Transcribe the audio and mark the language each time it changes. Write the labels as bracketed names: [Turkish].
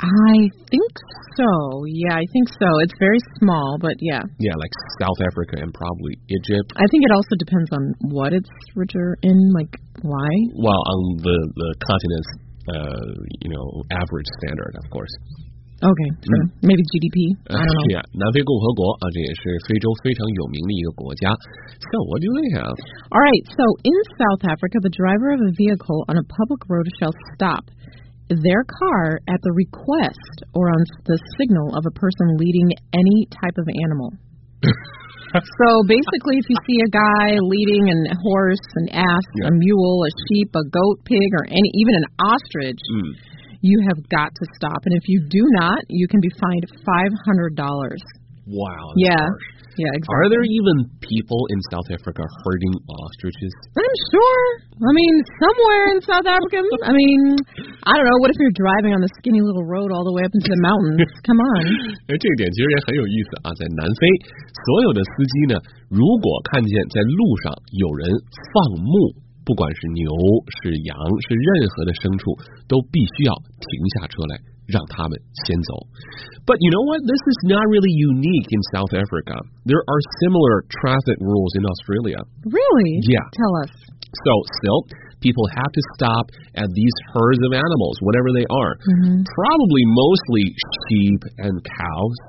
[English] I think so. Yeah, I think so. It's very small, but yeah. Yeah, like South Africa and probably Egypt. I think it also depends on what it's richer in, like why. Well, on the continent's, average standard, of course. Okay, true. Maybe GDP. I don't know. [Chinese] Yeah, 南非共和国啊，这也是非洲非常有名的一个国家。 [English] So what do they have? All right, so in South Africa, the driver of a vehicle on a public road shall stop their car at the request or on the signal of a person leading any type of animal. So basically, if you see a guy leading a horse, an ass, a mule, a sheep, a goat, pig, or even an ostrich, you have got to stop. And if you do not, you can be fined $500. Wow. Yeah. Harsh. Yeah, exactly. Are there even people in South Africa herding ostriches? I'm sure. I mean, somewhere in South Africa. I mean, I don't know. What if you're driving on the skinny little road all the way up into the mountains? Come on. [Chinese] 这点其实也很有意思啊。在南非，所有的司机呢，如果看见在路上有人放牧，不管是牛、是羊、是任何的牲畜，都必须要停下车来。让他们先走。 [English] But you know what? This is not really unique in South Africa. There are similar traffic rules in Australia. Really? Yeah. Tell us. So, still, people have to stop at these herds of animals, whatever they are. Mm-hmm. Probably mostly sheep and cows.